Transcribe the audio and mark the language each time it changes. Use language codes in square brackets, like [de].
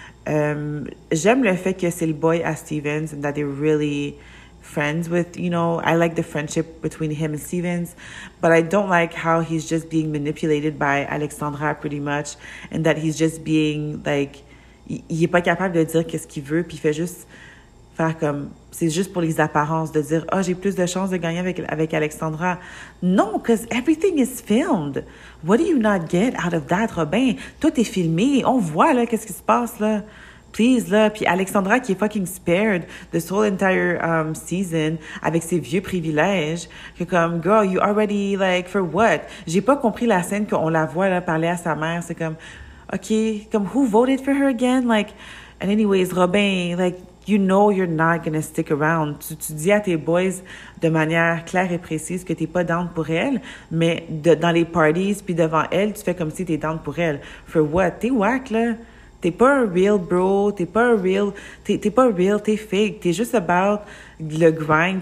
[fr] J'aime le fait que c'est le boy à Stevens [en] and that they're really friends with, you know, I like the friendship between him and Stevens, but I don't like how he's just being manipulated by Alexandra pretty much and that he's just being like, [fr] il est pas capable de dire qu'est-ce qu'il veut puis il fait juste faire comme, c'est juste pour les apparences de dire, ah, oh, j'ai plus de chances de gagner avec, avec Alexandra. [en] Non, because everything is filmed. What do you not get out of that, Robin? [fr] Tout est filmé. On voit, là, qu'est-ce qui se passe, là. [en] Please, là. [fr] Puis Alexandra, qui est [en] fucking spared this whole entire season [fr] avec ses vieux privilèges, que comme, [en] girl, you already, like, for what? [fr] J'ai pas compris la scène qu'on la voit, là, parler à sa mère. C'est comme, OK, comme, [en] who voted for her again? Like, and anyways, Robin, like, you know you're not gonna stick around. [fr] Tu dis à tes boys de manière claire et précise que t'es pas down pour elle, mais de, dans les parties puis devant elle, tu fais comme si t'es down pour elle. [en] For what? [fr] T'es whack, là. T'es pas un real bro. T'es pas un real. T'es pas real. T'es fake. T'es juste about le grind.